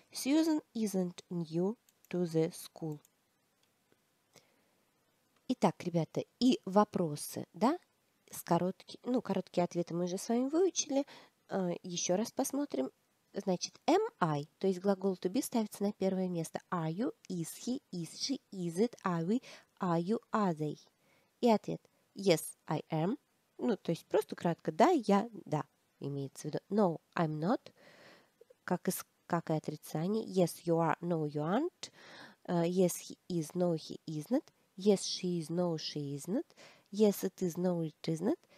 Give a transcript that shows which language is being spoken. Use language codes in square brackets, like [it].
[en] Susan isn't new to the school. [ru] Итак, ребята, и вопросы, да, с короткими, ну, короткие ответы мы уже с вами выучили. Еще раз посмотрим. Значит, am I, то есть глагол to be ставится на первое место. [en] Are you, is he, is she, is it, are we, are you, are they? [ru] И ответ. [en] Yes, I am. [ru] Ну, то есть просто кратко, да, я, да, имеется в виду. [en] No, I'm not. [ru] Как и отрицание. [en] Yes, you are, no, you aren't. Yes, he is, no, he isn't. Yes, she is, no, she isn't. Yes, it is, no, it isn't.